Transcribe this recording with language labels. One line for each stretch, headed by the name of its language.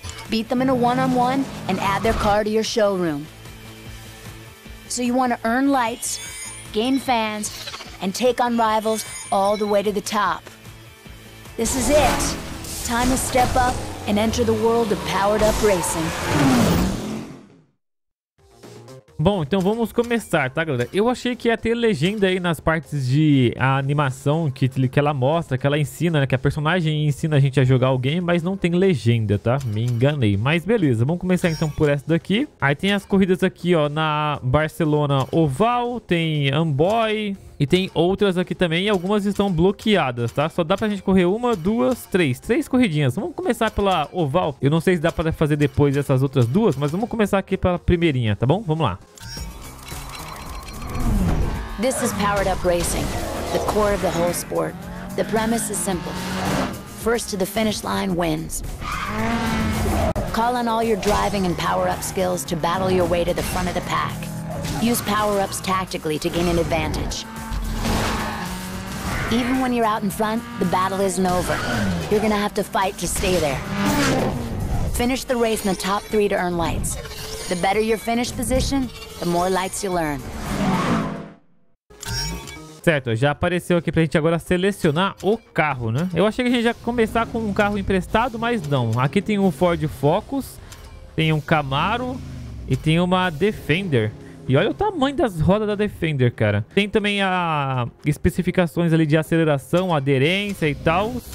English: Beat them in a one-on-one and add their car to your showroom. So you want to earn lights, gain fans, and take on rivals all the way to the top. This is it. Time to step up and enter the world of powered up racing.
Portuguese: Bom, então vamos começar, tá, galera? Eu achei que ia ter legenda aí nas partes de a animação que ela mostra, que ela ensina, né? Que a personagem ensina a gente a jogar o game, mas não tem legenda, tá? Me enganei. Mas beleza, vamos começar então por essa daqui. Aí tem as corridas aqui, ó, na Barcelona Oval, tem Amboy e tem outras aqui também. E algumas estão bloqueadas, tá? Só dá pra gente correr uma, duas, três. Três corridinhas. Vamos começar pela Oval. Eu não sei se dá pra fazer depois essas outras duas, mas vamos começar aqui pela primeirinha, tá bom? Vamos lá.
English: This is powered up racing, the core of the whole sport. The premise is simple. First to the finish line wins. Call on all your driving and power-up skills to battle your way to the front of the pack. Use power-ups tactically to gain an advantage. Even when you're out in front, the battle isn't over. You're gonna have to fight to stay there. Finish the race in the top three to earn lights. The better your finish position, the more lights you'll earn.
Portuguese: Certo, já apareceu aqui pra gente agora selecionar o carro, né? Eu achei que a gente ia começar com um carro emprestado, mas não. Aqui tem um Ford Focus, tem um Camaro e tem uma Defender. E olha o tamanho das rodas da Defender, cara. Tem também as especificações ali de aceleração, aderência e tal.